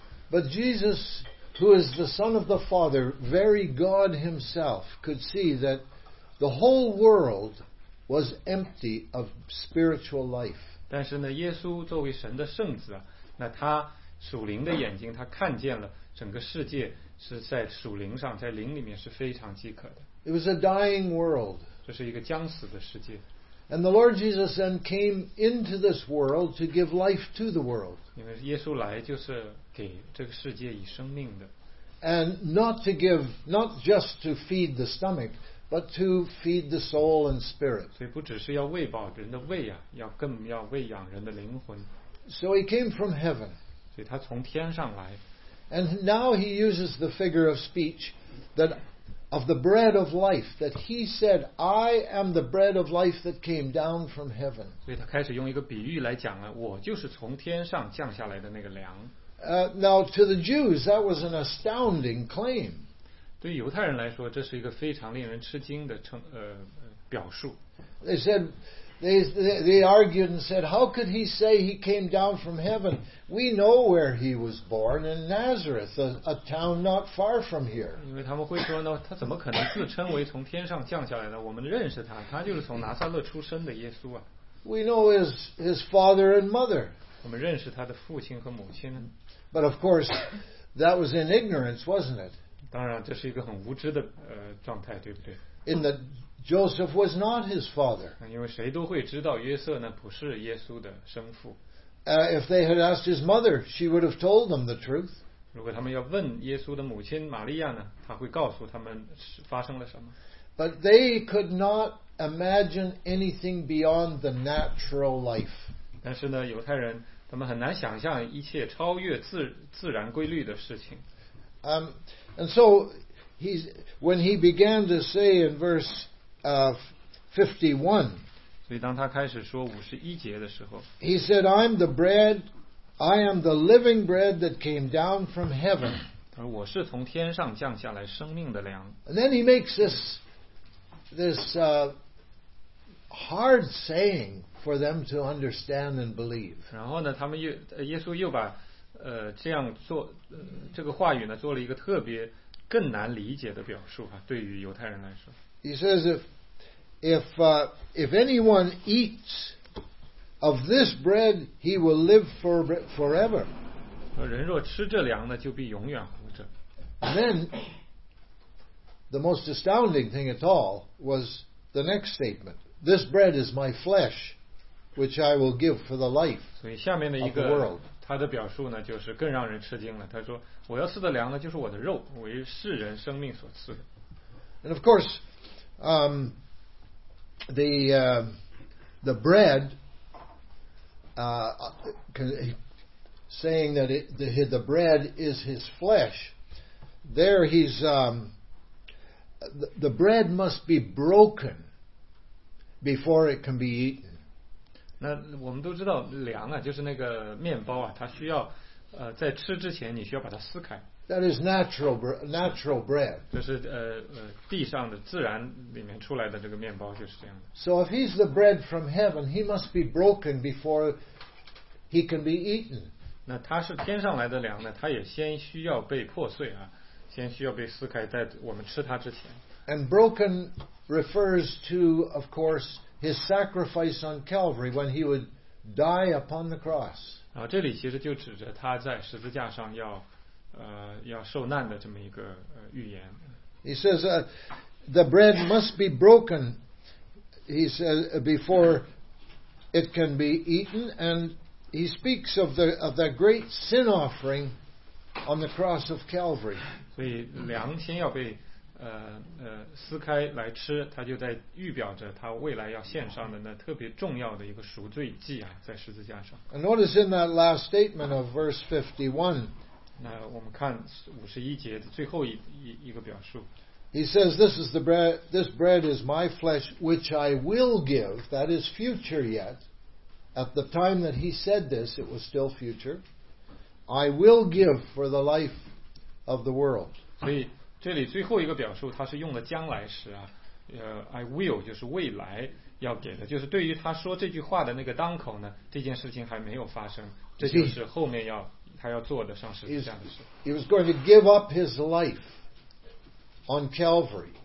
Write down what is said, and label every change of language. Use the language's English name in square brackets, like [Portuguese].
[English] But Jesus, who is the Son of the Father, very God Himself, could see that the whole world was empty of spiritual life. [Chinese] 但是呢，耶稣作为神的圣子，那他属灵的眼睛，他看见了。整个世界是在属灵上，在灵里面是非常饥渴的。 [English] It was a dying world. [Chinese] 这是一个将死的世界。 [English] And the Lord Jesus then came into this world to give life to the world. [Chinese] 因为耶稣来就是给这个世界以生命的。 [English] And not to give, not just to feed the stomach, but to feed the soul and spirit. [Chinese] 所以不只是要喂饱人的胃啊，要更要喂养人的灵魂。 [English] So he came from heaven. [Chinese] 所以他从天上来。 [English] And now he uses the figure of speech that of the bread of life that he said, "I am the bread of life that came down from heaven." [Chinese] 所以他开始用一个比喻来讲了，我就是从天上降下来的那个粮。 [English] Now to the Jews that was an astounding claim. [Chinese] 对犹太人来说，这是一个非常令人吃惊的表述。 [English] They said. They argued and said, "How could he say he came down from heaven? We know where he was born in Nazareth, a town not far from here." [Chinese] 因为他们会说呢，他怎么可能自称为从天上降下来呢？我们认识他，他就是从拿撒勒出生的耶稣啊。 [English] We know his father and mother. [Chinese] 我们认识他的父亲和母亲。 [English] But of course, that was in ignorance, wasn't it? [Chinese] 当然，这是一个很无知的状态，对不对 [English] ？In the Joseph was not his father. [Chinese] 因为谁都会知道约瑟呢不是耶稣的生父。 [English] If they had asked his mother, she would have told them the truth. [Chinese] 如果他们要问耶稣的母亲玛利亚呢，他会告诉他们发生了什么。 [English] But they could not imagine anything beyond the natural life. [Chinese] 但是呢，犹太人他们很难想象一切超越自然规律的事情。 [English] And so when he began to say in verse 51. [Chinese] 所以当他开始说五十一节的时候 [English] ，He said, "I'm the bread. I am the living bread that came down from heaven." [Chinese] 而我是从天上降下来生命的粮。 [English] And then he makes this hard saying for them to understand and believe. [Chinese] 然后呢，他们耶稣又把这样做这个话语呢，做了一个特别更难理解的表述哈，对于犹太人来说。 [English] He says, if anyone eats of this bread, he will live forever. [Chinese] 人若吃这粮呢，就必永远活着。 [English] And then, the most astounding thing at all was the next statement. This bread is my flesh, which I will give for the life of the world. [Chinese] 所以下面的一个他的表述呢，就是更让人吃惊了。他说，我要赐的粮呢，就是我的肉，为世人生命所赐的。 [English] And of course, the the bread, saying that the bread is his flesh. There he's the bread must be broken before it can be eaten. [Chinese] 那我们都知道粮啊，就是那个面包啊，它需要在吃之前你需要把它撕开。 [English] That is natural bread. [Chinese] 这是地上的自然里面出来的这个面包就是这样的。 [English] So if he's the bread from heaven, he must be broken before he can be eaten. [Chinese] 那他是天上来的粮呢，他也先需要被破碎啊，先需要被撕开，在我们吃它之前。 [English] And broken refers to, of course, his sacrifice on Calvary when he would die upon the cross. [Chinese] 啊，这里其实就指着他在十字架上要。要受难的这么一个预言。 [English] He says, "The bread must be broken." He says before it can be eaten, and he speaks of the great sin offering on the cross of Calvary. [Chinese] 所以粮先要被撕开来吃，他就在预表着他未来要献上的那特别重要的一个赎罪祭啊，在十字架上。 [English] And notice in that last statement of verse 51. [Chinese] 那我们看五十一节的最后一个表述。 [English] He says, "This is the bread. This bread is my flesh, which I will give." That is future yet. At the time that he said this, it was still future. I will give for the life of the world. [Chinese] 所以这里最后一个表述，它是用了将来时啊。 [English] I will [Chinese] 就是未来要给的，就是对于他说这句话的那个当口呢，这件事情还没有发生，这就是后面要。 [English] He was going to give up his life on Calvary.